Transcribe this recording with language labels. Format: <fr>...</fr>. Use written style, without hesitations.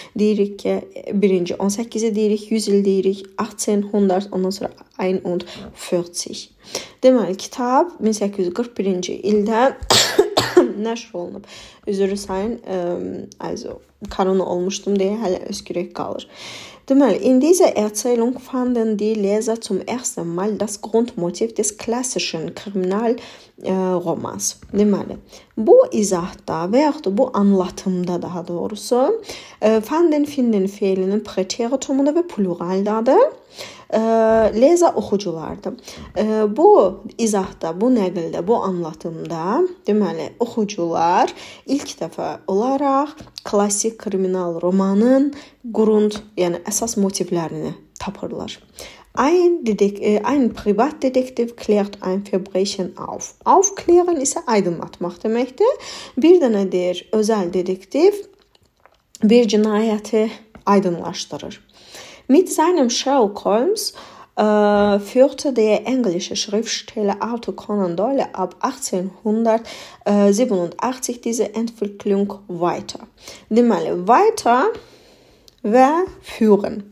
<az>Deyirik ki, birinci 18-i deyirik, 100 il deyirik, 1800, ondan sonra 41. Deməli, kitab 1841-ci ildə nəşr olunub. Üzr sayın, also korona olmuşdum deyə hələ öskürək qalır.</az> <de>Deməli, in dieser Erzählung fanden die Leser zum ersten Mal das Grundmotiv des klassischen Kriminalromans.</de> <az>Deməli, bu izahda və yaxud bu anlatımda daha doğrusu fanden, finden fiilinin preteritumunda və pluraldadır. Leser oxuculardır. Bu izahda, bu nəqildə, bu anlatımda deməli, oxucular ilk dəfə olaraq klasik kriminal romanın qrund, yəni əsas motivlərini tapırlar.</az> <de>Ein Privatdetektiv klärt ein Verbrechen auf.</de> <az>Aufklären isə aydınlatmaq deməkdir. Bir dənə deyir, özəl dedektiv bir cinayəti aydınlaşdırır.</az> <de>Mit seinem Sherlock Holmes führte der englische Schriftsteller Arthur Conan Doyle ab 1887 diese Entwicklung weiter.</de> <az>Demale weiter ve führen.</az>